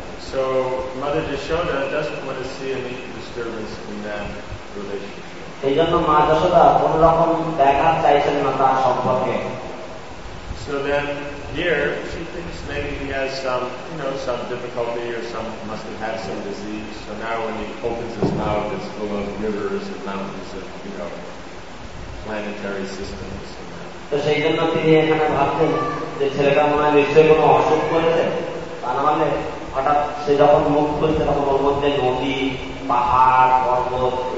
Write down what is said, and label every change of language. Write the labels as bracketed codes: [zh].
[en] So Mother Jashoda doesn't want to see any disturbance in that relationship. [bn] সেই জন্য মা যশোদা কোন রকম দেখা চাইছেন না তার সম্পর্কে. [en] So then here she thinks maybe he has some, you know, some difficulty or some must have had some disease. So now when he opens his mouth, it's full of rivers and mountains and, you know, planetary systems. [bn] তো সেই জন্য তিনি এখানে ভাবছেন যে ছেলেটা মনে হয় নিশ্চয়ই কোনো অসুখ করেছে. তার মানে হঠাৎ সে যখন মুখ খুলছে তখন ওর মধ্যে নদী পাহাড় পর্বত